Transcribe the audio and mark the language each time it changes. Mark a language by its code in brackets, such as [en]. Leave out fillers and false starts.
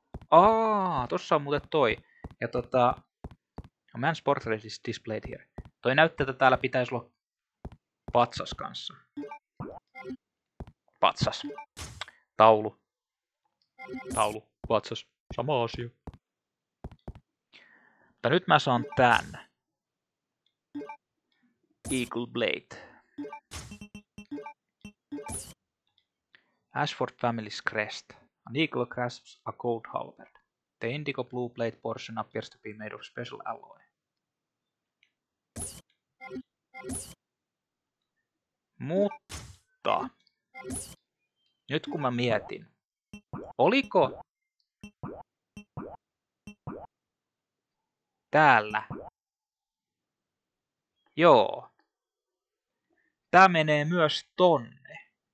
[fi] Aaaa, tossa on muuten toi. Ja tota... [en] A man's portrait is displayed here. [fi] Toi näyttää, että täällä pitäisi olla patsas kanssa. Patsas. Taulu. Taulu. Patsas. Sama asia. Mutta nyt mä saan tän. [en] Eagle Blade. Ashford Family's Crest. An eagle grasps a gold halberd. The indigo blue blade portion appears to be made of special alloy. [fi] Mutta nyt kun mä mietin, oliko täällä? Joo. Tää menee myös tonne.